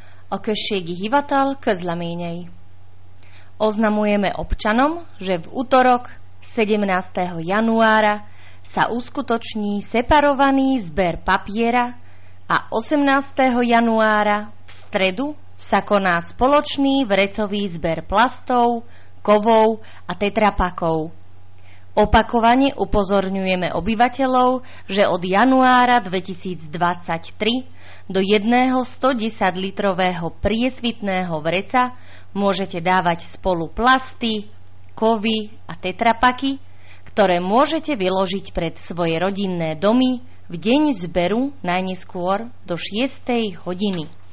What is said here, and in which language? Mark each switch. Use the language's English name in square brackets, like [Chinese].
[Hungarian] O községi hivatal közleményei. [Slovak] Oznamujeme občanom, že v útorok 17. januára sa uskutoční separovaný zber papiera a 18. januára v stredu sa koná spoločný vrecový zber plastov, kovov a tetrapakov. Opakovane upozorňujeme obyvateľov, že od januára 2023 do jedného 110-litrového priesvitného vreca môžete dávať spolu plasty, kovy a tetrapaky, ktoré môžete vyložiť pred svoje rodinné domy v deň zberu najneskôr do 6. hodiny.